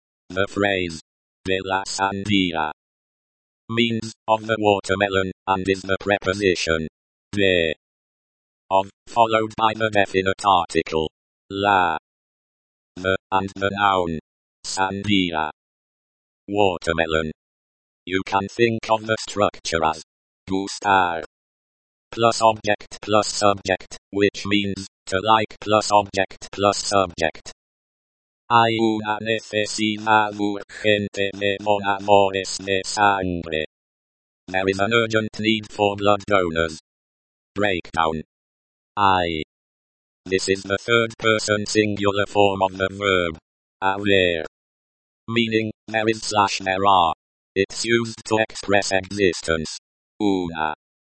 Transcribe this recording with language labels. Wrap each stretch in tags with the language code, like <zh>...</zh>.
<en>The phrase</en> <es>de la sandía</es> <en>means of the watermelon and is the preposition de, of, followed by the definite article la, the, and the noun sandía, watermelon. You can think of the structure as gustar plus object plus subject, which means to like plus object plus subject.</en> <es>Hay una necesidad urgente de donadores de sangre.</es> <en>There is an urgent need for blood donors. Breakdown. I. This is the third person singular form of the verb haber, meaning there is slash there are. It's used to express existence. Una.</en>